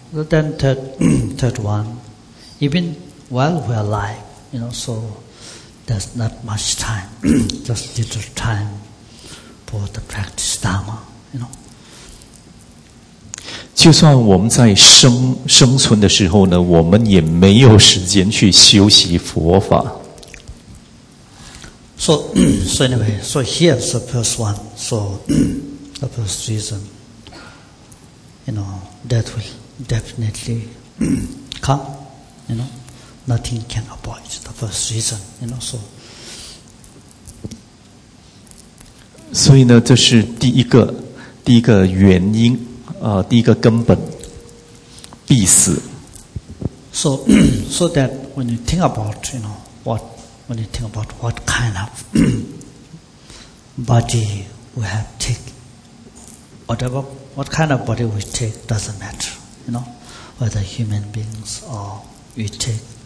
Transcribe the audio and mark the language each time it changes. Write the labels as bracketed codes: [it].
[en] Then third one, even while we are alive, you know, so There's not much time, just little time for the practice Dharma, you know. [zh] 就算我们在 生存的时候呢，我们也没有时间去修习佛法。 [en] So anyway, so here's the first one. So the first reason, you know, that will definitely come, you know. Nothing can avoid the first reason, you know. So, [zh] 所以呢，这是第一个原因，第一个根本，必死。 [en] So that when you think about, you know, what kind of body we have take, whatever, what kind of body we take doesn't matter, you know, whether human beings or we take.